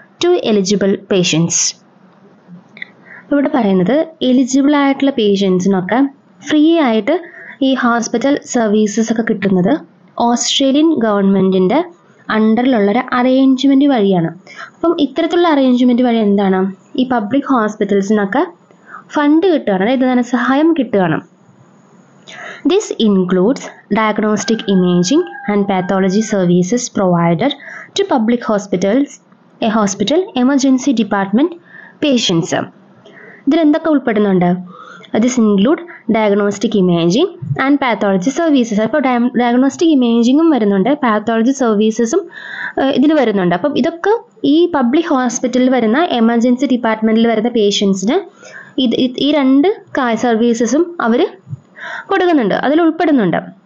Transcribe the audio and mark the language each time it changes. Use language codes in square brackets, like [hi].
[en] to eligible patients. [ml] ഇവിടെ പറയുന്നത് eligible ആയിട്ടുള്ള പേഷ്യൻസിനൊക്കെ ഫ്രീ ആയിട്ട് ഈ ഹോസ്പിറ്റൽ സർവീസസ് ഒക്കെ കിട്ടുന്നത് ഓസ്ട്രേലിയൻ ഗവൺമെൻറ്റിൻ്റെ അണ്ടറിലുള്ള ഒരു അറേഞ്ച്മെൻറ്റ് വഴിയാണ്. അപ്പം ഇത്തരത്തിലുള്ള അറേഞ്ച്മെൻറ്റ് വഴി എന്താണ്? ഈ പബ്ലിക് ഹോസ്പിറ്റൽസിനൊക്കെ ഫണ്ട് കിട്ടുകയാണ്, അതായത് ധനസഹായം കിട്ടുകയാണ്. [en] This includes diagnostic imaging and pathology services provided to public hospitals, a hospital, emergency department, patients. [ml] ഇതിലെന്തൊക്കെ ഉൾപ്പെടുന്നുണ്ട്? [en] This include diagnostic imaging and pathology services. [ml] അപ്പോൾ diagnostic imagingഉം വരുന്നുണ്ട്, pathology servicesഉം ഇതിൽ വരുന്നുണ്ട്. അപ്പം ഇതൊക്കെ ഈ പബ്ലിക് ഹോസ്പിറ്റലിൽ വരുന്ന എമർജൻസി ഡിപ്പാർട്ട്മെൻറ്റിൽ വരുന്ന പേഷ്യൻസിന് ഇത് ഈ രണ്ട് സർവീസസും അവർ കൊടുക്കുന്നുണ്ട്, അതിൽ ഉൾപ്പെടുന്നുണ്ട്.